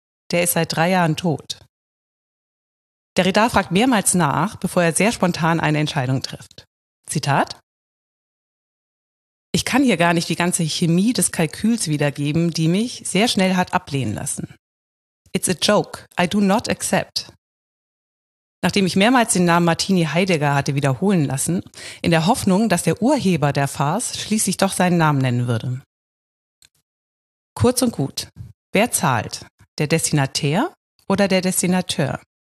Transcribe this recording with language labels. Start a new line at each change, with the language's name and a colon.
German: Der ist seit 3 Jahren tot. Derrida fragt mehrmals nach, bevor er sehr spontan eine Entscheidung trifft. Zitat: Ich kann hier gar nicht die ganze Chemie des Kalküls wiedergeben, die mich sehr schnell hat ablehnen lassen.
English: It's a joke. I do not accept.
German: Nachdem ich mehrmals den Namen Martini Heidegger hatte wiederholen lassen, in der Hoffnung, dass der Urheber der Farce schließlich doch seinen Namen nennen würde. Kurz und gut, wer zahlt? Der Destinatär oder der Destinateur?